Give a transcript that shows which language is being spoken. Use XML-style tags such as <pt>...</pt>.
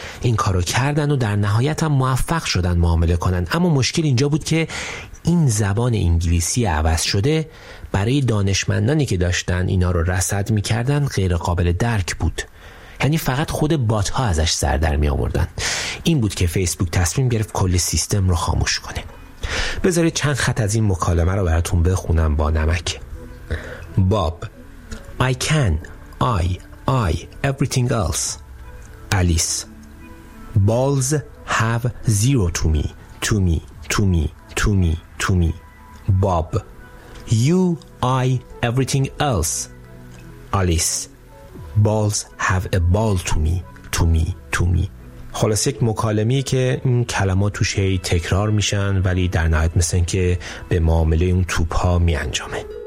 <fa>این کارو کردن و در نهایت هم موفق شدن معامله کنن، اما مشکل اینجا بود که این زبان انگلیسی عوض شده برای دانشمندانی که داشتن اینا رو رصد می‌کردن غیر قابل درک بود. یعنی فقط خود بات‌ها ازش سر در می‌آوردن. این بود که فیسبوک تصمیم گرفت کل سیستم رو خاموش کنه. بذارید چند خط از این مکالمه رو براتون بخونم با نمک.</fa> <en>باب: I can, I, everything else. Alice: Balls have zero to me, to me, to me, to me, to me. باب: You, I, everything else. Alice: Balls have a ball to me, to me, to me.</en> <fa>خلاص یک مکالمه‌ای که این کلمات توش هی تکرار میشن ولی در نهایت مثل این که به معامله اون توپ ها میانجامه.</fa>